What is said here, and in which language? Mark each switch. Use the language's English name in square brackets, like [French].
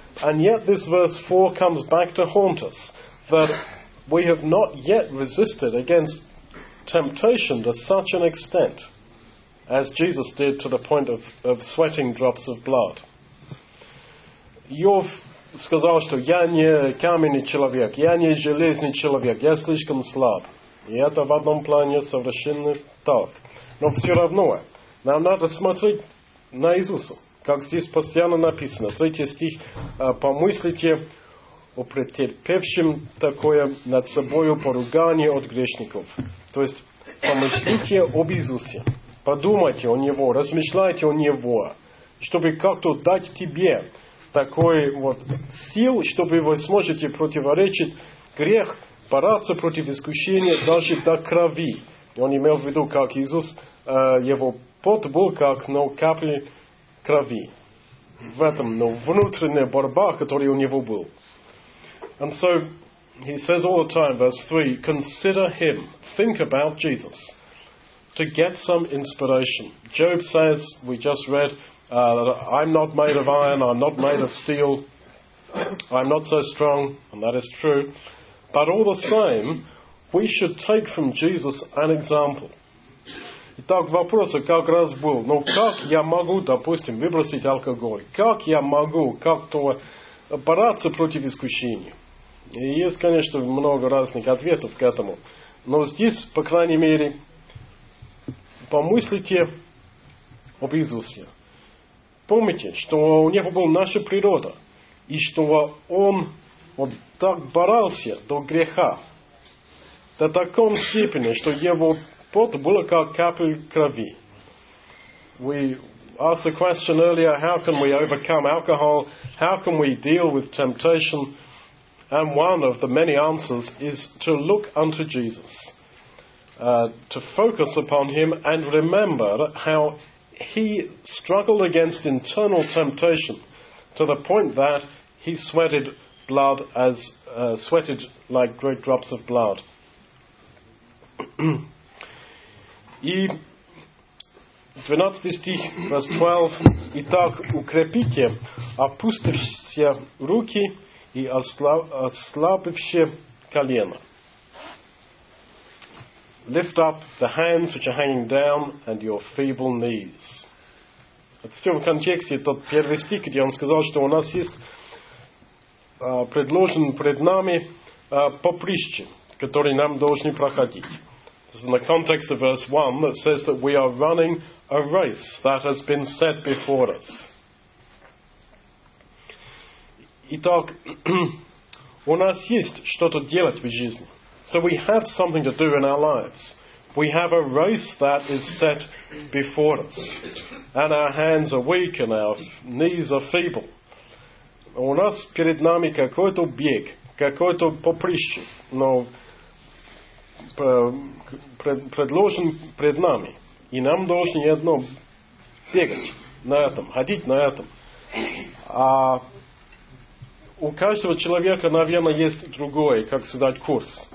[English] And yet this verse 4 comes back to haunt us, that we have not yet resisted against temptation to such an extent as Jesus did to the point of sweating drops of blood. [Russian] Иов сказал, что я не каменный человек, я не железный человек, я слишком слаб. И это в одном плане совершенно так. Но все равно, нам надо смотреть на Иисуса, как здесь постоянно написано. Третий стих: «Помыслите о претерпевшем такое над собою поругание от грешников». То есть, помышлите об Иисусе, подумайте о Него, размышляйте о Него, чтобы как-то дать тебе такой вот сил, чтобы вы сможете противоречить грех, бороться против искушения даже до крови. Он имел в виду, как Иисус, его пот был как капли крови. В этом, внутренняя борьба, которая у него была. [English] And so, he says all the time, verse 3, consider him, think about Jesus, to get some inspiration. Job says, we just read, I'm not made of iron, I'm not made of steel, I'm not so strong, and that is true. But all the same, we should take from Jesus an example. [Russian] Итак, вопрос как раз был, как я могу, допустим, выбросить алкоголь? Как я могу как-то бороться против искушения? И есть, конечно, много разных ответов к этому. Но здесь, по крайней мере, помыслите об Иисусе. Помните, что у него была наша природа, и что он вот так боролся до греха, до такой степени, что его пот был как капля крови. [English] We asked the question earlier, how can we overcome alcohol? How can we deal with temptation? And one of the many answers is to look unto Jesus, to focus upon him and remember how he struggled against internal temptation to the point that he sweated blood as sweated like great drops of blood. [Russian] И 12 стих, [English] verse 12, [Russian] «Итак, укрепите опустившиеся руки и ослабевшие колено». [English] Lift up the hands which are hanging down and your feeble knees. [Russian] Это все в контексте, тот первый стих, где он сказал, что у нас есть предложен пред нами поприще, которые нам должны проходить. [English] This is in the context of verse 1 that says that we are running a race that has been set before us. [Russian] Итак, у нас есть что-то делать в жизни. [English] So we have something to do in our lives. We have a race that is set before us. And our hands are weak and our knees are feeble. [Russian] У нас перед нами какой-то бег, какой-то поприще, предложен пред нами. И нам должно одно бегать на этом, ходить на этом. А у каждого человека, наверное, есть другой, как сказать, курс.